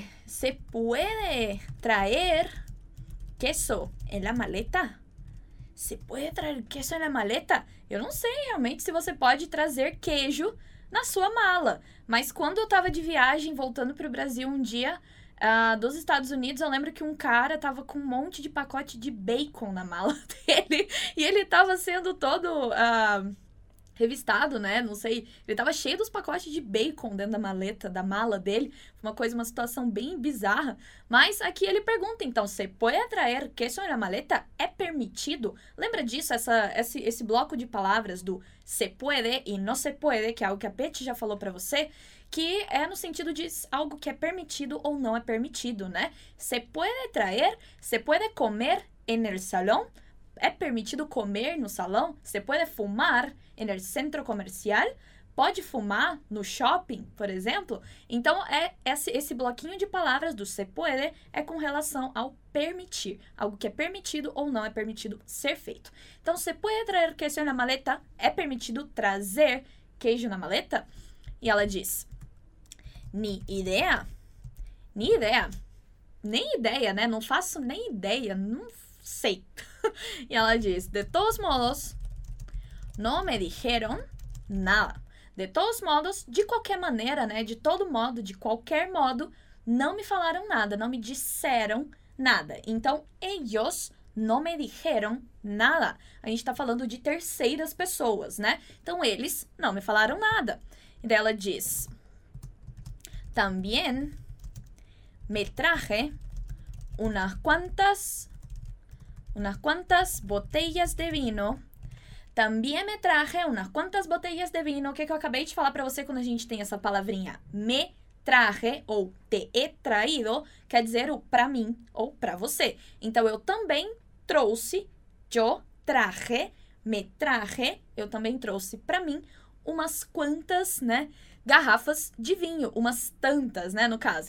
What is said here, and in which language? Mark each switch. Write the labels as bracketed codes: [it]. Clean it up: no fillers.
[es] Se puede traer queso en la maleta? Se puede traer queso en la maleta? [pt] Eu não sei realmente se você pode trazer queijo na sua mala. Mas quando eu tava de viagem, voltando pro Brasil um dia, dos Estados Unidos, eu lembro que um cara tava com um monte de pacote de bacon na mala dele. E ele tava sendo todo revistado, né? Não sei. Ele tava cheio dos pacotes de bacon dentro da maleta, da mala dele. Uma coisa, uma situação bem bizarra. Mas aqui ele pergunta, então, [es] se puede traer queso en la maleta? [pt] É permitido? Lembra disso? Esse bloco de palavras do se puede e no se puede, que é algo que a Petty já falou pra você, que é no sentido de algo que é permitido ou não é permitido, né? [es] Se puede traer, se puede comer en el salón? [pt] É permitido comer no salão? Você pode fumar [es] en el centro comercial? [pt] Pode fumar no shopping, por exemplo? Então, esse bloquinho de palavras do se puede é com relação ao permitir. Algo que é permitido ou não é permitido ser feito. Então, [es] se puede traer [pt] queijo na maleta? É permitido trazer queijo na maleta? E ela diz, [es] ni idea. Ni idea. [pt] Nem ideia, né? Não faço nem ideia. Não sei. E ela diz, [es] de todos modos, no me dijeron nada. De todos modos, [pt] de qualquer maneira, né? De todo modo, de qualquer modo, não me falaram nada, não me disseram nada. [es] Então, ellos no me dijeron nada. [pt] A gente tá falando de terceiras pessoas, né? Então, eles não me falaram nada. E daí ela diz, [es] también me traje unas cuantas botellas de vino. También me traje unas cuantas botellas de vino. [pt] O que, que eu acabei de falar para você quando a gente tem essa palavrinha me traje ou te he traído, quer dizer o para mim ou para você. Então, eu também trouxe, [es] yo traje, me traje, [pt] eu também trouxe para mim umas quantas, né, garrafas de vinho, umas tantas, né, no caso.